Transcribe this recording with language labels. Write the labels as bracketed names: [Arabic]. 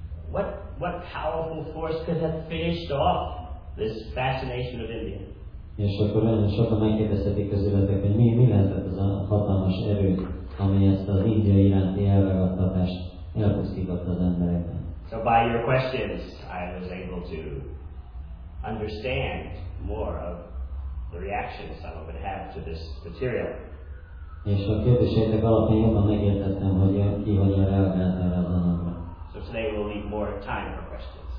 [English] What powerful force could have finished off this fascination of India? [Hungarian] És akkor olyan sokan megkérdeztetik közületek, hogy mi lehetett az a hatalmas erő, ami ezt az India iránti elragadtatást elpusztította az emberekben. [English] So by your questions, I was able to understand more of the reaction some of it have to this material. So today we'll leave more time for questions.